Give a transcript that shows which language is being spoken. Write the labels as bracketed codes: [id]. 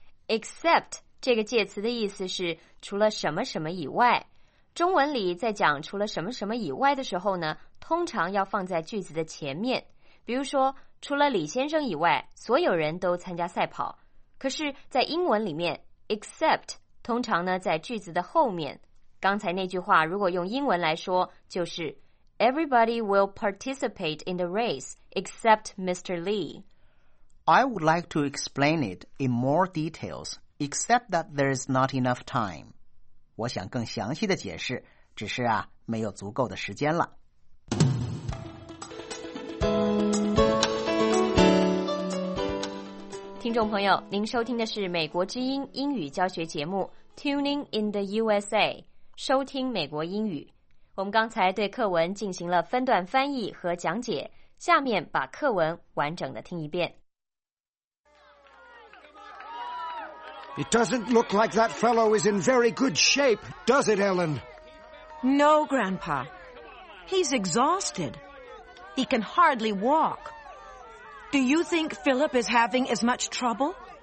[zh] Except 这个介词的意思是除了什么什么以外，中文里在讲除了什么什么以外的时候呢，通常要放在句子的前面。比如说除了李先生以外，所有人都参加赛跑，可是在英文里面 Except 通常呢在句子的后面。刚才那句话如果用英文来说，就是 [en] Everybody will participate in the race except Mr. Lee. I would like to explain it in more details, except that there is not enough time. [zh] 我想更详细的解释，只是啊，没有足够的时间了。听众朋友，您收听的是美国之音英语教学节目 Tuning in the USA。收听美国英语。我们刚才对课文进行了分段翻译和讲解，下面把课文完整的听一遍。 [en] It doesn't look like that fellow is in very good shape, does it, Ellen? No, Grandpa. He's exhausted. He can hardly walk. Do you think Philip is having as much trouble?